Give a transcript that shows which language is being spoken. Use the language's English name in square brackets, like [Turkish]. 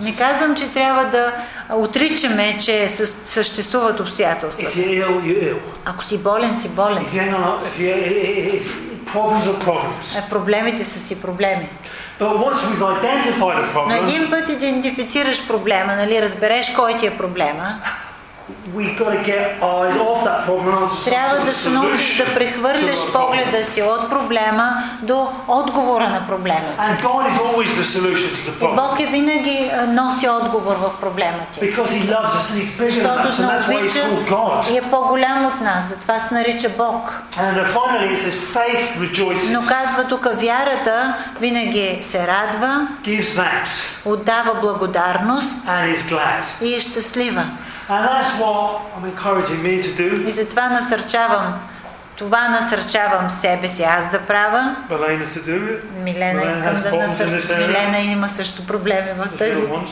[Bulgarian] Не казвам, че трябва да отричаме, че съществуват обстоятелствата. [English] If you're ill, you're ill. [Bulgarian] Ако си болен, си болен. [English] If you're not, if problems are problems. [Bulgarian] Проблемите са си проблеми. [English] But once we've identified a problem. [Bulgarian] Но един път идентифицираш проблема, нали, разбереш кой ти е проблема. [English] we got to get eyes off that problem. [Bulgarian] Трябва да се научиш да прехвърляш погледа си от проблема до отговора на проблема. [English] And God is always the solution to the problem. [Bulgarian] Бог е винаги носи отговор в проблема ти. [English] Because He loves us and He's bigger than us, and that's why He's called God. [Bulgarian] И е по-голям от нас, затова се нарича Бог. [English] And finally, it says faith rejoices. [Bulgarian] Но казва тук вярата винаги се радва. [English] Gives thanks. [Bulgarian] Отдава благодарност. [English] And is glad. [Bulgarian] И е щастлива. [English] And that's what I'm encouraging me to do. [Bulgarian] И затова насърчавам, това насърчавам себе си аз да правя. [English] Milena to do it. [Bulgarian] Милена искам да насърча. Милена има също проблеми в тази.